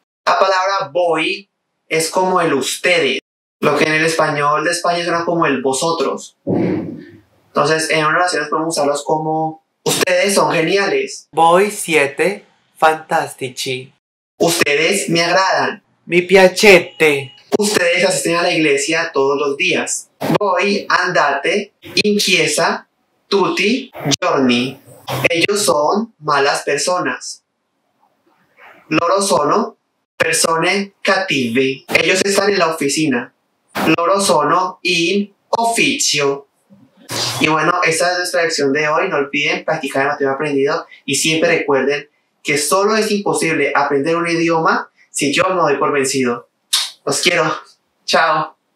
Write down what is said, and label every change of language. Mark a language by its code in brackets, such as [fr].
[es] La palabra voi es como el ustedes, lo que en el español de España suena como el vosotros. Entonces, en una oración podemos usarlos como ustedes son geniales. [it] Voi siete fantastici. [es] Ustedes me agradan. [it] Mi piacete. [es] Ustedes asisten a la iglesia todos los días. [it] Voi andate in chiesa tutti giorni. [es] Ellos son malas personas. [it] Loro sono persone cattive. [es] Ellos están en la oficina. [it] Loro sono in ufficio. [es] Y bueno, esta es nuestra lección de hoy. No olviden practicar el material aprendido y siempre recuerden que solo es imposible aprender un idioma si yo no doy por vencido. Los quiero. Chao.